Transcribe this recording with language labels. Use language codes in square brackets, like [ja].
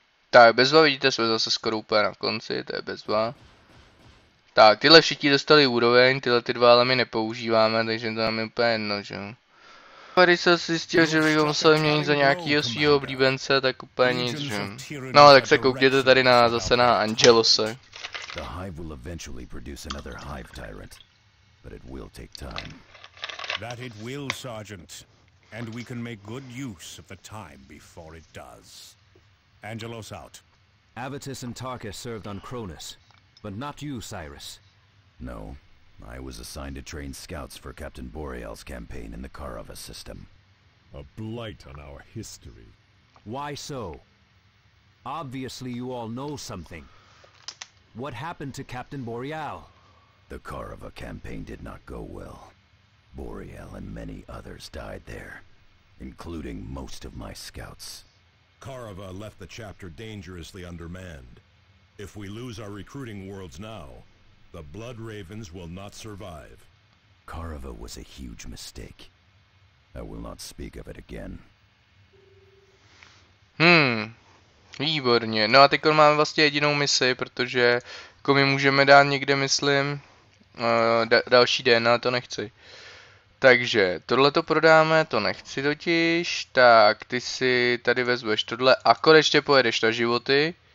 [cs] Tak, bezva, vidíte, jsme zase skoro úplně na konci, to je bezva. Tak, tyhle všichni dostali úroveň, tyhle ty dva ale my nepoužíváme, takže to nám je úplně jedno, že jo. Tady se zjistil, že bych ho musel měnit za nějakýho svého oblíbence, tak úplně nic, že jo. No, tak se koukněte tady na zase na Angelose. [en] The hive will eventually produce another hive tyrant, but it will take time. That it will, Sergeant, and we can make good use of the time before it does. Angelos out. Avitus and Tarkas served on Cronus, but not you, Cyrus. No, I was assigned to train scouts for Captain Boreal's campaign in the Karava system. A blight on our history. Why so? Obviously you all know something. What happened to Captain Boreal? The Karava campaign did not go well. Boreal and many others died there, including most of my scouts. Karava left the chapter dangerously undermanned. If we lose our recruiting worlds now, the Blood Ravens will not survive. Karava was a huge mistake. I will not speak of it again. [cs] Výborně. No a teď máme vlastně jedinou misi, protože jako my můžeme dát někde, myslím, další den, ale to nechci. Takže, tohle to prodáme, to nechci totiž, tak ty si tady vezmeš tohle a konečně pojedeš na životy.